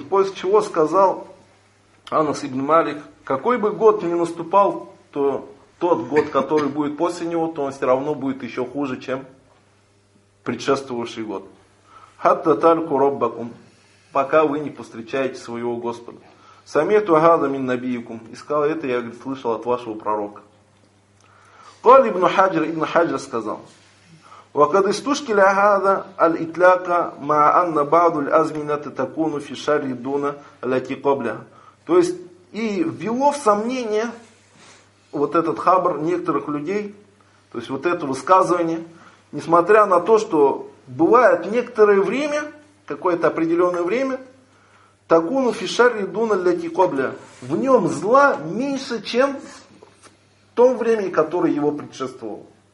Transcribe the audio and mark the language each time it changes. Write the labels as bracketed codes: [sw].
[ru] После чего сказал Анас ибн Малик, какой бы год ни наступал, то тот год, который будет после него, то он все равно будет еще хуже, чем предшествовавший год. [ar] Хатта тальку роббакум, [ru] пока вы не повстречаете своего Господа. [ar] Самету агада мин набиюкум. [ru] И сказал это, я говорит, слышал от вашего пророка. Коль ибн Хаджр, ибн Хаджр сказал, [ar] وقد استشكل هذا الإطلاق مع أن بعض الأزمنة تكون في شر دون التي قبلها. [ru] То есть и ввело в сомнение вот этот хабр некоторых людей, то есть вот это высказывание, несмотря на то, что бывает некоторое время, какое-то определенное время, [ar] تكون في شر دون التي قبلها, [ru] в нем зла меньше, чем в том времени, которое его предшествовало.